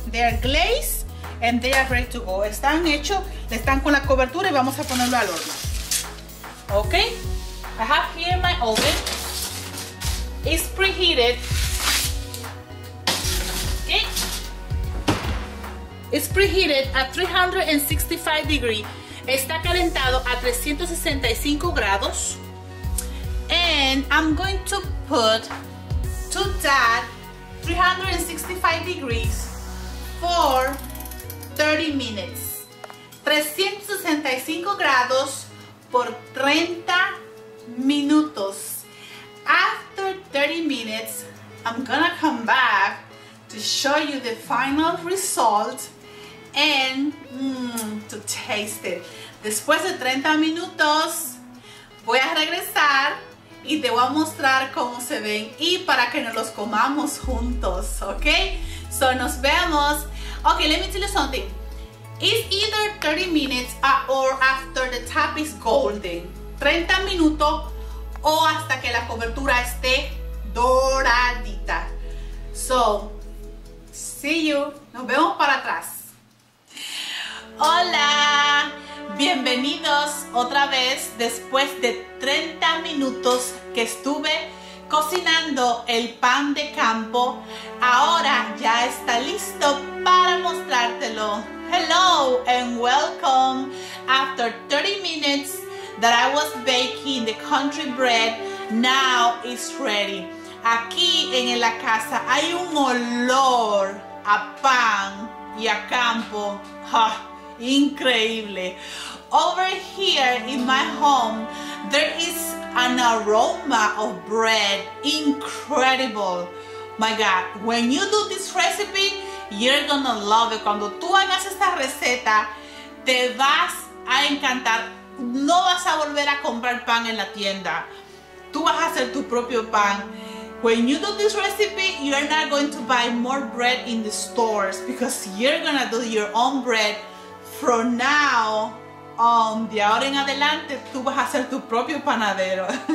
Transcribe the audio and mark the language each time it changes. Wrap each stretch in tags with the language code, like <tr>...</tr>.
<en>They are glazed and they are ready to go.</en> <es>Están hechos, están con la cobertura y vamos a ponerlo al horno.</es> <en>Okay. I have here my oven. It's preheated. Okay. It's preheated at 365 degrees.</en> <es>Está calentado a 365 grados.</es> <en>And I'm going to put to that 365 degrees for 30 minutes.</en> <es>365 grados por 30 minutos.</es> <en>After 30 minutes, I'm gonna come back to show you the final result and to taste it.</en> <es>Después de 30 minutos, voy a regresar y te voy a mostrar cómo se ven y para que nos los comamos juntos, ¿ok?</es> <en>So,</en> <es>nos vemos.</es> <en>Ok, let me tell you something. It's either 30 minutes or after the top is golden.</en> <es>30 minutos o hasta que la cobertura esté doradita.</es> <en>So, see you.</en> <es>Nos vemos para atrás. ¡Hola! Bienvenidos otra vez después de 30 minutos que estuve cocinando el pan de campo. Ahora ya está listo para mostrártelo.</es> <en>Hello and welcome. After 30 minutes that I was baking the country bread, now it's ready.</en> <es>Aquí en la casa hay un olor a pan y a campo. ¡Ja! Increíble.</es> <en>Over here in my home, there is an aroma of bread. Incredible. My God, when you do this recipe, you're gonna love it.</en> <es>Cuando tú hagas esta receta, te vas a encantar. No vas a volver a comprar pan en la tienda. Tú vas a hacer tu propio pan.</es> <en>When you do this recipe, you're not going to buy more bread in the stores because you're gonna do your own bread. From now on,</en> <es>de ahora en adelante, tú vas a ser tu propio panadero.</es>